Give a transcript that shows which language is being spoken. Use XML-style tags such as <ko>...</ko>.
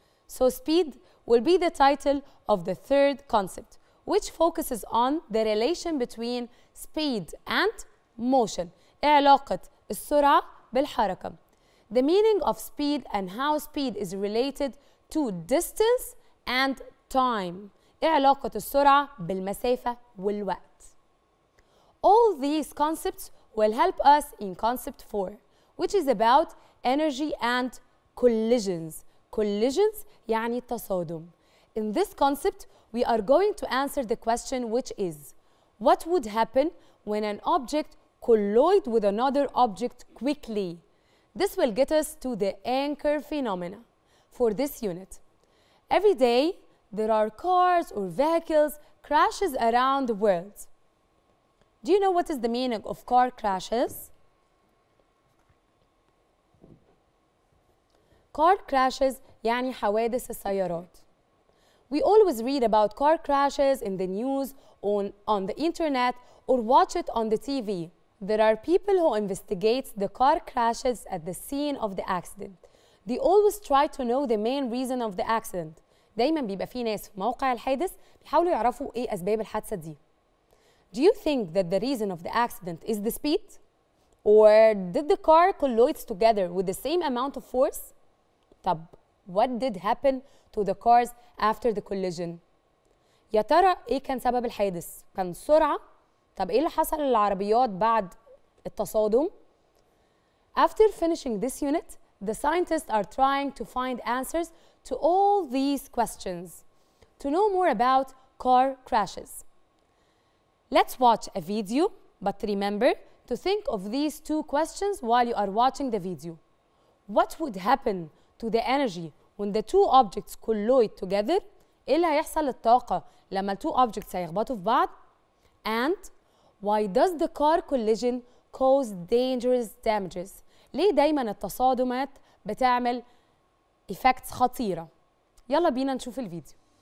<en>So speed will be the title of the third concept, which focuses on the relation between speed and motion.</en> <ar>علاقة السرعة بالحركة.</ar> <en>The meaning of speed and how speed is related to distance and time.</en> <ar>إيه علاقة السرعة بالمسافة والوقت.</ar> <en>All these concepts will help us in concept four, which is about energy and collisions.</en> <ar>Collisions يعني التصادم.</ar> <en>In this concept, we are going to answer the question which is, what would happen when an object collides with another object quickly? This will get us to the anchor phenomena for this unit. Every day, there are cars or vehicles crashes around the world. Do you know what is the meaning of car crashes? Car crashes</en> <ar>يعني حوادث السيارات.</ar> <en>We always read about car crashes in the news, on the internet, or watch it on the TV. There are people who investigate the car crashes at the scene of the accident. They always try to know the main reason of the accident.</en> <ar>دايما بيبقى في ناس في موقع الحادث بيحاولوا يعرفوا ايه أسباب الحادثة دي.</ar> <en>Do you think that the reason of the accident is the speed? Or did the car collide together with the same amount of force? طب, what did happen to the cars after the collision?</en> <ar>يا ترى ايه كان سبب الحادث؟ كان سرعة؟ طب ايه اللي حصل للعربيات بعد التصادم؟</ar> <en>After finishing this unit, the scientists are trying to find answers to all these questions. To know more about car crashes. Let's watch a video, but remember to think of these two questions while you are watching the video. What would happen to the energy when the two objects collide together?</en> <ar>إيه اللي هيحصل للطاقة لما two objects هيخبطوا في بعض؟</ar> <en>And why does the car collision cause dangerous damages?</en> <ar>ليه دايما التصادمات بتعمل effects خطيرة؟ يلا بينا نشوف الفيديو.</ar>